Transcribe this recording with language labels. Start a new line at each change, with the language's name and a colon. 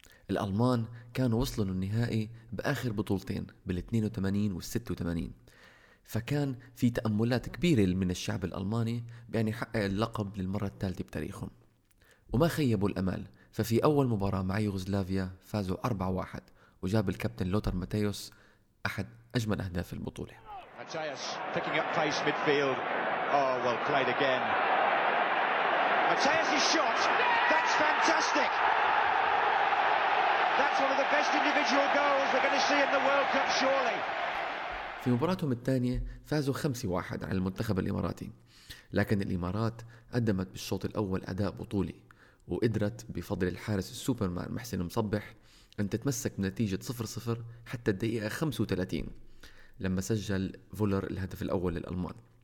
Arabic: الألمان كانوا وصلوا للنهائي بآخر بطولتين بال 82 وال 86، فكان في تأملات كبيرة من الشعب الألماني بأن يحقق اللقب للمرة الثالثة بتاريخهم، وما خيبوا الأمل. ففي أول مباراة مع يوغوسلافيا فازوا 4-1 وجاب الكابتن لوتر ماتيوس أحد أجمل أهداف البطولة.
English: ماتيوس picking up pace midfield. Oh well played again. Matthias's shot. That's fantastic. That's one of the best individual goals we're going to see in the World Cup surely.
Arabic: في مباراتهم الثانية فازوا 5-1 على المنتخب الإماراتي، لكن الإمارات قدمت بالشوط الأول أداء بطولي وقدرت بفضل الحارس السوبرمان محسن مصبح أن تتمسك بنتيجة 0-0 حتى الدقيقة 35 لما سجل فولر الهدف الأول للألمان.